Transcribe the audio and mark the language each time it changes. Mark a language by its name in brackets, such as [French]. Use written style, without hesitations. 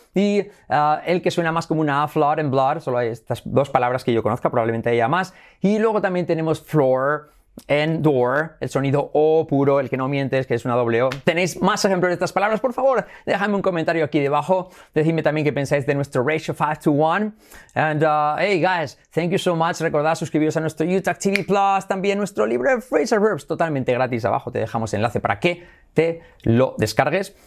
[Spanish] Y el que suena más como una A, flood and blood, solo hay estas dos palabras que yo conozca, probablemente haya más. Y luego también tenemos floor and door, el sonido O puro, el que no mientes, que es una doble O. ¿Tenéis más ejemplos de estas palabras? Por favor, déjame un comentario aquí debajo. Decidme también qué pensáis de nuestro ratio 5 to 1. [English] And hey guys, thank you so much. [Spanish] Recordad suscribiros a nuestro UTAC TV Plus, también nuestro libro de Phrasal Verbs, totalmente gratis. Abajo te dejamos enlace para que te lo descargues.